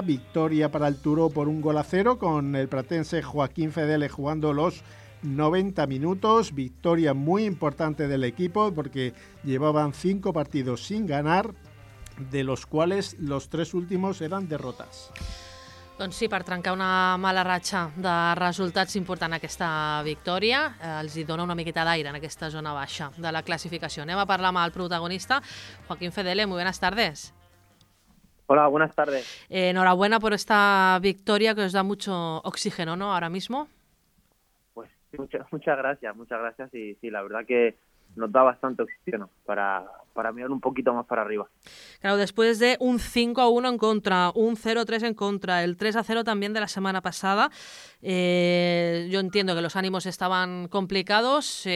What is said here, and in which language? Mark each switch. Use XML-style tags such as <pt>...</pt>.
<es>Victoria para el Turó por 1-0 con el pratense Joaquín Fedele jugando los 90 minutos, victoria muy importante del equipo porque llevaban 5 partidos sin ganar, de los cuales los 3 últimos eran derrotas.</es> <ca>Doncs sí, per trencar una mala ratxa de resultats important aquesta victòria, els hi dona una miqueta d'aire en aquesta zona baixa de la classificació. Anem a parlar amb el protagonista, Joaquín Fedele,</ca> <es>muy buenas tardes. Hola, buenas tardes. Enhorabuena por esta victoria que os da mucho oxígeno, ¿no?, ahora mismo. Muchas gracias. Y sí, la verdad que nos da bastante oxígeno para mirar un poquito más para arriba. Claro, después de un 5-1 en contra, un 0-3 en contra, el 3-0 también de la semana pasada, yo entiendo que los ánimos estaban complicados.</es>